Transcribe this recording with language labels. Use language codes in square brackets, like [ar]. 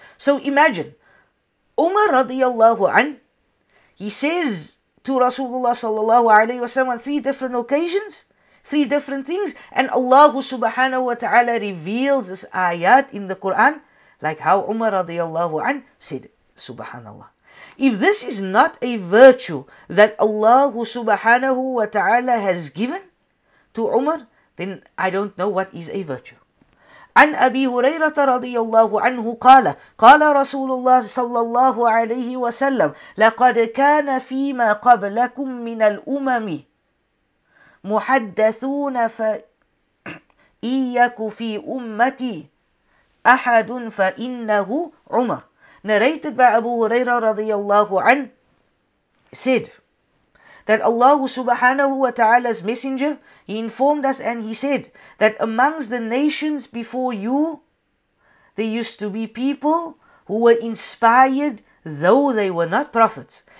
[en] So imagine, Umar radiyallahu an, he says to Rasulullah sallallahu alayhi wa sallam on three different occasions, three different things, and Allah subhanahu wa ta'ala reveals this ayat in the Quran, like how Umar radiyallahu an said, subhanallah. If this is not a virtue that Allah subhanahu wa ta'ala has given to Umar, then I don't know what is a virtue. [ar] عن أبي هريرة رضي الله عنه قال قال رسول الله صلى الله عليه وسلم لقد كان فيما قبلكم من الأمم محدثون فإيك في أمتي أحد فإنه عمر. [en] Narrated by Abu Huraira [ar] رضي الله عنه, [en] said that Allah subhanahu wa ta'ala's messenger, he informed us and he said that amongst the nations before you, there used to be people who were inspired though they were not prophets.